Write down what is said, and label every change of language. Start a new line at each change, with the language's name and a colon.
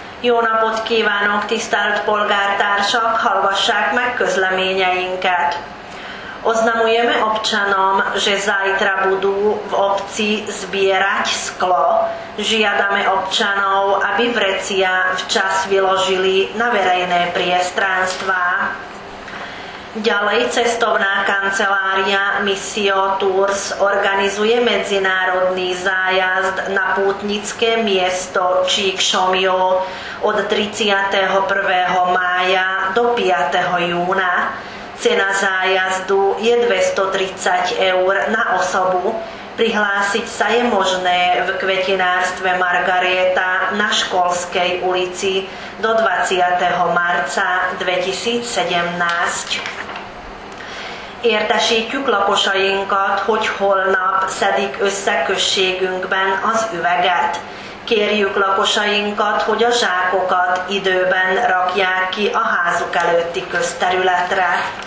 Hungarian: Jó napot kívánok, tisztelt polgártársak, hallgassák meg közleményeinket.
Slovak: Oznamujeme občanom, že zajtra budú v obci zbierať sklo. Žiadame občanov, aby vrecia včas vyložili na verejné priestranstvá. Ďalej cestovná kancelária Missio Tours organizuje medzinárodný zájazd na pútnické miesto Csíksomlyó od 31. mája do 5. júna. Cena zájazdu je 230 eur na osobu. Prihlásiť sa je možné v kvetinárstve Margareta na Školskej ulici do 20. marca 2017.
Hungarian: Értesítjük lakosainkat, hogy holnap szedik össze községünkben az üveget. Kérjük lakosainkat, hogy a zsákokat időben rakják ki a házuk előtti közterületre.